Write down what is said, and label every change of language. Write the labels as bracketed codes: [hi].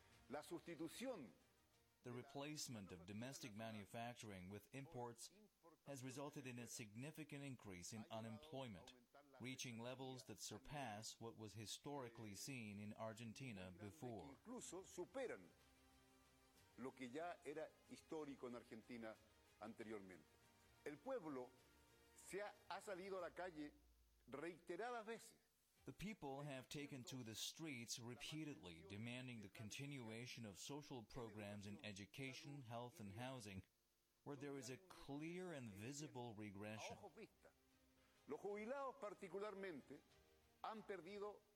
[en] The replacement of domestic manufacturing with imports has resulted in a significant increase in unemployment, reaching levels that surpass what was historically seen in Argentina before. [es] Incluso superan lo que ya era histórico en Argentina. Anteriormente, el pueblo se ha salido a la calle reiteradas veces. [en] The people have taken to the streets repeatedly, demanding the continuation of social programs in education, health, and housing, where there is a clear and visible regression. [es] Los jubilados particularmente han perdido.